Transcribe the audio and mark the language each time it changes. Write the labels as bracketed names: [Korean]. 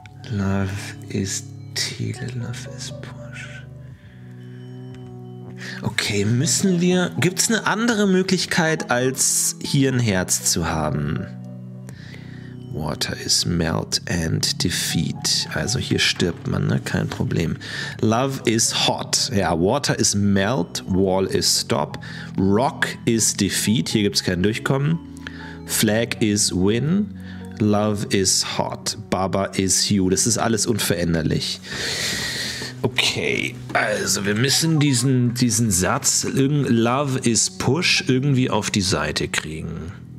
[English] Love is Tele, Love is push. [German] Okay, müssen wir... Gibt es eine andere Möglichkeit, als hier ein Herz zu haben? [English] Water is melt and defeat. [German] Also hier stirbt man, ne? Kein Problem. [English] Love is hot. [German] Ja, [English] water is melt, wall is stop. Rock is defeat. [German] Hier gibt es kein Durchkommen. [English] Flag is win. Love is hot. Baba is you. [German] Das ist alles unveränderlich. Okay, also wir müssen diesen Satz, [English] Love is push, [German] irgendwie auf die Seite kriegen.